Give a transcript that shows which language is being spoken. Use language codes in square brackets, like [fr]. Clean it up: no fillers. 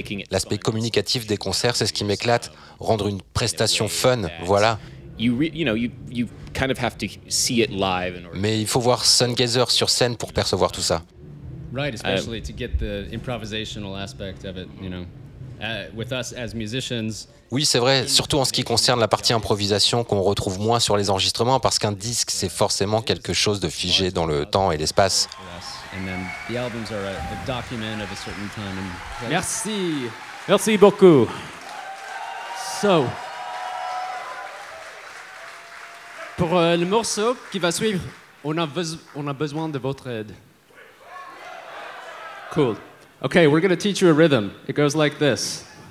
[fr] L'aspect communicatif des concerts, c'est ce qui m'éclate. Rendre une prestation fun, voilà. [en] You kind of have to see it live in order. [fr] Mais il faut voir Sungazer sur scène pour percevoir tout ça. [en] Right, especially to get the improvisational aspect of it, you know. With us as musicians. [fr] Oui, c'est vrai, surtout en ce qui concerne la partie improvisation qu'on retrouve moins sur les enregistrements parce qu'un disque c'est forcément quelque chose de figé dans le temps et l'espace. [en] And then the albums are a document of a certain time. And [fr] merci. Merci beaucoup. So, pour le morceau qui va suivre, on a besoin de votre aide. [en] Cool. Okay, we're going to teach you a rhythm. It goes like this.